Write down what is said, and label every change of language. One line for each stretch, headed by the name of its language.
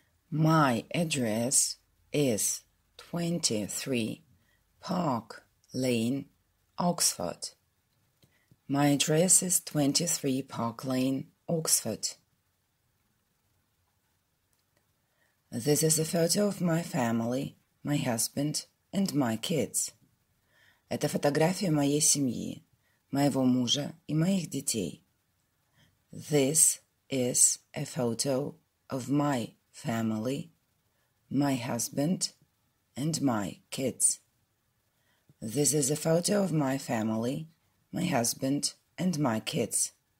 English: My address is 23 Park Lane, Oxford. My address is 23 Park Lane, Oxford. This is a photo of my family, my husband and my kids.
Russian: Это фотография моей семьи, моего мужа и моих детей.
English: This is a photo of my family, my husband, and my kids. This is a photo of my family, my husband, and my kids.